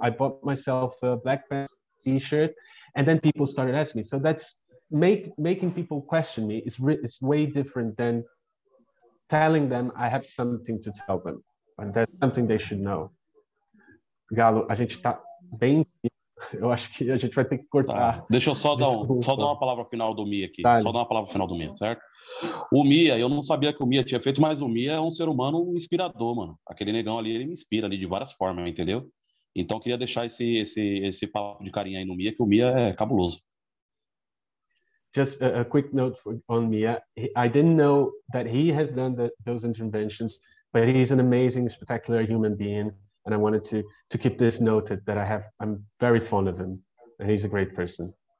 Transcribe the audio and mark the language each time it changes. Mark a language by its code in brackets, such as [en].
[en] I bought myself a black pants t-shirt. And then people started asking me. So that's making people question me is way different than telling them I have something to tell them. And that's something they should know. Galo, [pt] a gente tá bem Eu acho que a gente vai ter que cortar. Tá. Deixa eu só dar uma palavra final do Mia aqui. Tá, só dar uma palavra final do Mia, certo? O Mia, eu não sabia que o Mia tinha feito, mas o Mia é um ser humano inspirador, mano. Aquele negão ali, ele me inspira ali de várias formas, entendeu? Então, eu queria deixar esse papo de carinha aí no Mia, que o Mia é cabuloso. [en] Just a quick note on Mia. I didn't know that he has done those interventions, but he's an amazing, spectacular human being. And I wanted to keep this noted that I'm very fond of him. And he's a great person.